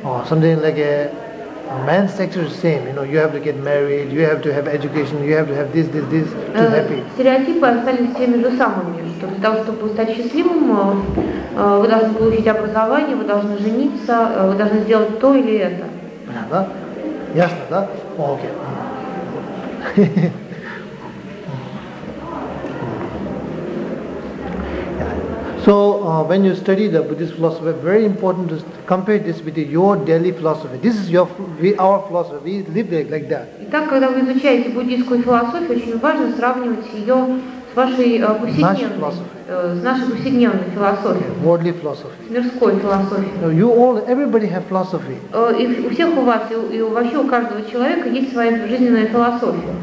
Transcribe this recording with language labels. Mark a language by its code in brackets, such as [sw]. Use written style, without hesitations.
[en] Something like a man's texture is same, you know, you have to get married, you have to have education, you have to have this to be happy. [ru] Стереотипы остались теми же самыми, что для того, чтобы стать счастливым, вы должны получить образование, вы должны жениться, вы должны сделать то или это. Понятно, да? Ясно, да? Окей. [en] So when you study the Buddhist philosophy, very important to compare this with your daily philosophy. This is our philosophy. We live like that. [ru] Итак, когда вы изучаете буддийскую философию, очень важно сравнивать ее с вашей повседневной философией. [en] Worldly philosophy. [ru] Мирской философией. [en] Everybody have philosophy. [ru] И у всех у вас и вообще у каждого человека есть своя жизненная философия.